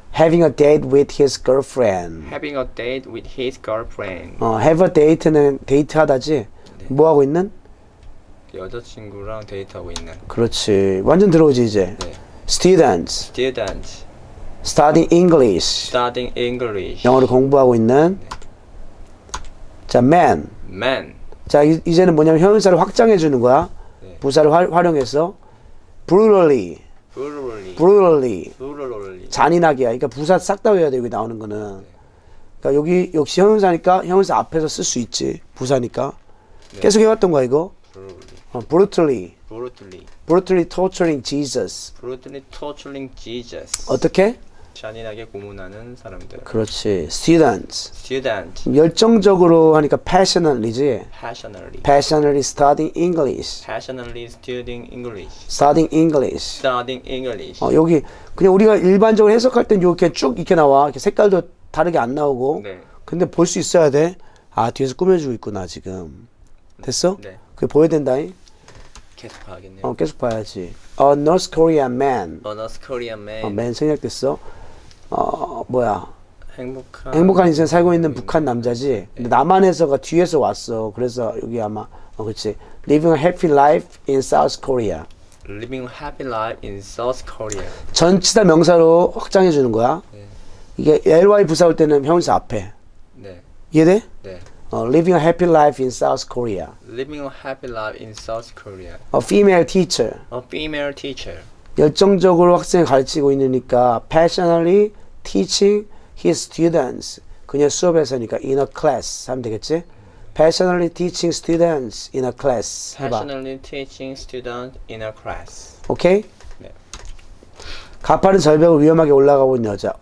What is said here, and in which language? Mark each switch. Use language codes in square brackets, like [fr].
[en] Having a date with his girlfriend. Having a date with his girlfriend. Have a date [ko] 는 데이트하다지. 네. 뭐 하고 있는? 여자친구랑 데이트하고 있는. 그렇지. 완전 들어오지 이제. 네. [en] Students. Students. Studying English. Studying English. [ko] 영어를 공부하고 있는. 자, man. [en] Man. [ko] 자, 이제는 뭐냐면 형용사를 확장해 주는 거야. 네. 부사를 활용해서 brutally. [en] Brutally. Brutally. Brutally. [ko] 잔인하게야. 그러니까 부사 싹 다 외워야 돼, 여기 나오는 거는. 네. 그러니까 여기 역시 형용사니까 형용사 앞에서 쓸 수 있지. 부사니까. 네. 계속 해왔던 거야, 이거. [en] Brutally. Brutally. Brutally torturing Jesus. Brutally torturing Jesus. [ko] 어떻게? 잔인하게 고문하는 사람들. 그렇지. Students. [en] Students. [ko] 열정적으로 하니까 passionately지. [en] Passionately. Passionately studying English. Passionately studying English. Studying English. Studying English. [ko] 여기 그냥 우리가 일반적으로 해석할 땐 이렇게 쭉 이렇게 나와. 이렇게 색깔도 다르게 안 나오고. 네. 근데 볼 수 있어야 돼. 아, 뒤에서 꾸며주고 있구나 지금. 됐어? 네. 그게 보여야 된다. 계속 봐야겠네. 계속 봐야지. [en] A North Korean man. A North Korean man. [ko] 맨 생략됐어. 뭐야? 행복한 인생 살고 있는 북한 남자지. 네. 근데 남한에서가 뒤에서 왔어. 그래서 여기 아마 그렇지. [en] Living a happy life in South Korea. living happy life in South Korea. [ko] 전치사 명사로 확장해 주는 거야. 네. 이게 ly 부사올 때는 형용사 앞에. 네. 이해돼? 네. [en] Living a happy life in South Korea. Living a happy life in South Korea. A female teacher. A female teacher. [ko] 열정적으로 학생을 가르치고 있으니까 [en] passionately teaching his students. [ko] 그녀 수업에서니까 [en] in a class [ko] 하면 되겠지? [en] Passionately teaching students in a class. [ko] 해봐. [en] Passionately teaching students in a class. [ko] Okay? 네. 가파른 절벽을 위험하게 올라가고 있는 여자.